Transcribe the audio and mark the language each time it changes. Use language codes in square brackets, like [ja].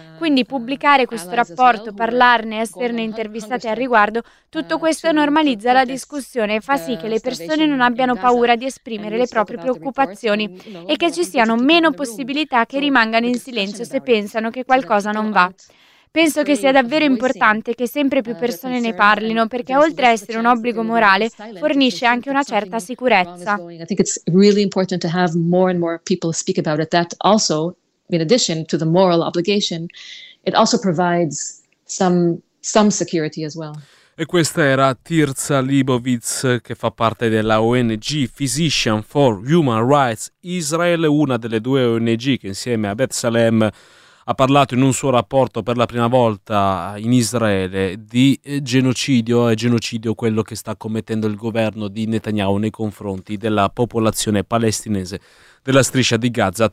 [it] Quindi pubblicare questo rapporto, parlarne, esserne intervistati al riguardo, tutto questo normalizza la discussione e fa sì che le persone non abbiano paura di esprimere le proprie preoccupazioni e che ci siano meno possibilità che rimangano in silenzio se pensano che qualcosa non va. Penso che sia davvero importante che sempre più persone ne parlino, perché oltre a essere un obbligo morale, fornisce anche una certa sicurezza. [en] I think it's really important to have more and more people speak about it. That also, in addition to the moral obligation, it also provides some security as well. [it] E questa era Tirza Libovits, che fa parte della ONG Physician for Human Rights Israel, una delle due ONG che insieme a Bethlehem ha parlato in un suo rapporto per la prima volta in Israele di genocidio, e genocidio quello che sta commettendo il governo di Netanyahu nei confronti della popolazione palestinese della striscia di Gaza.